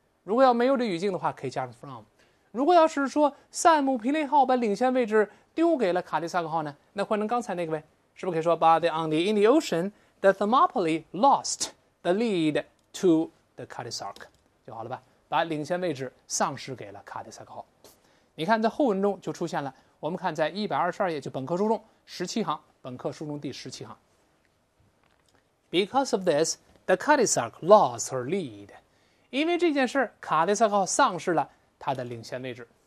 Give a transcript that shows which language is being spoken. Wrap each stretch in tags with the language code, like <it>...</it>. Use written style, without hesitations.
<zh>如果要没有这语境的话，可以加上 from。如果要是说塞姆皮雷号把领先位置丢给了卡迪萨克号呢，那换成刚才那个呗，是不是可以说</zh> <en>But on the Indian Ocean, the Thermopylae lost the lead to the Cadisark</en> <zh>就好了吧？把领先位置丧失给了卡迪萨克号。你看在后文中就出现了，我们看在122页，就本科书中17行，本科书中第17行。</zh> <en>Because of this, the Cadisark lost her lead.</en> <zh>因为这件事，卡迪萨克号丧失了他的领先位置。</zh>